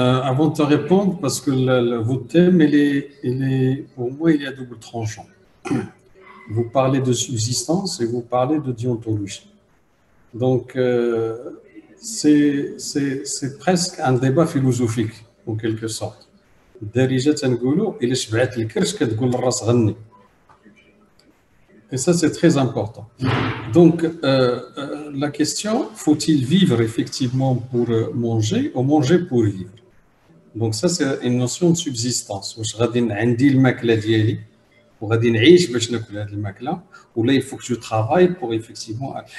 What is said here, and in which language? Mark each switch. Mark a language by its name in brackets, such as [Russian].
[French] Avant de te répondre, parce que votre thème, pour moi, il est à double tranchant. Vous parlez de subsistance et vous parlez de déontologie. Donc, c'est presque un débat philosophique, en quelque sorte. [Arabic] دارجة تنقولوا إلا شبعت الكرش كتقول الراس غني. [French] Et ça, c'est très important. Donc, la question, faut-il vivre effectivement pour manger ou manger pour vivre? Donc, ça, c'est une notion de subsistance. Je vais avoir le maquillage d'Yali, ou je vais avoir ou là, il faut que je travaille pour effectivement.